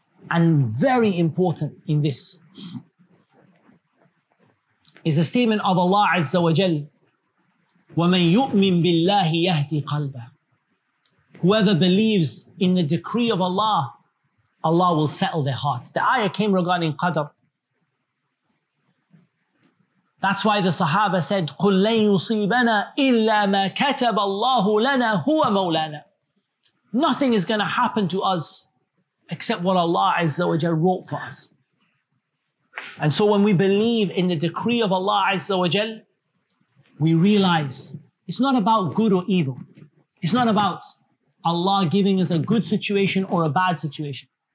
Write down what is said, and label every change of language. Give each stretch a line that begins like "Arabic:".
English: And very important in this is the statement of Allah Azza wa Jal,
Arabic: وَمَنْ يُؤْمِن بِاللَّهِ يَهْدِي قَلْبًا.
English: Whoever believes in the decree of Allah, Allah will settle their heart. The ayah came regarding Qadr. That's why the Sahaba said,
Arabic: قُلْ لَنْ يُصِيبَنَا إِلَّا مَا كَتَبَ اللَّهُ لَنَا هُوَ مَوْلَانَا.
English: Nothing is going to happen to us except what Allah Azza wa Jal wrote for us. And so when we believe in the decree of Allah Azza wa Jal, we realize it's not about good or evil. It's not about Allah giving us a good situation or a bad situation.